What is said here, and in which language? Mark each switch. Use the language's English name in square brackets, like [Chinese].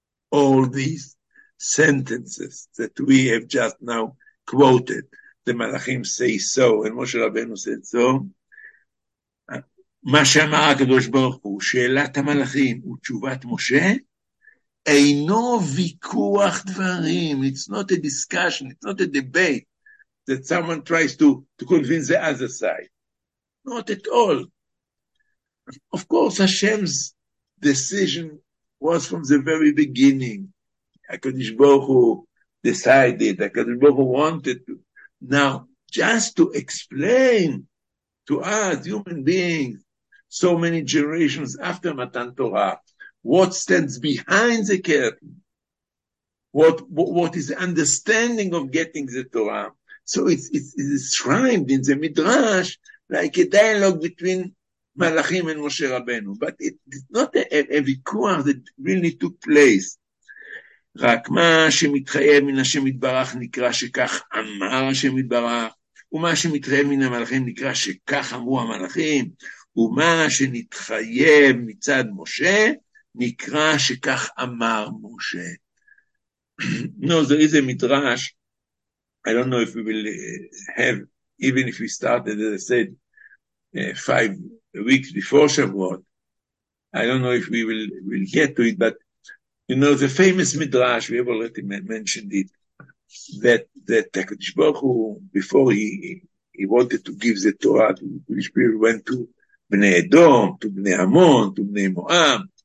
[English] All these sentences that we have just now quoted, the Malachim say so, and Moshe Rabbeinu said so, [Hebrew] מה שאמר הקדוש ברוך הוא, שאלת המלאכים ותשובת משה, אינו ויכוח דברים, [English] it's not a discussion, it's not a debate, that someone tries to convince the other side. Not at all. Of course, Hashem's decision was from the very beginning. הקדוש ברוך הוא decided, הקדוש ברוך הוא wanted to. Now, just to explain to us, human beings, so many generations after Matan Torah, what stands behind the curtain? What is the understanding of getting the Torah? So it's described in the Midrash like a dialogue between Malachim and Moshe Rabbeinu. But it's not a vikuach that really took place. [Hebrew] Rak ma shemitchayev min Hashem Yitbarach nikra shekach amar Hashem Yitbarach, uma shemitchayev min Malachim nikra shekach amru Malachim. ומה שנתחייב מצד משה, נקרא שכך אמר משה. [English] No, there is a midrash. I don't know if we will have, even if we started, as I said, 5 weeks before Shavuot, I don't know if we will get to it, but you know, the famous midrash, we have already mentioned it, that HaKadosh Baruch Hu, before he wanted to give the Torah, to which people went to, Bnei Edom, to Bnei Amon, to Bnei Moab.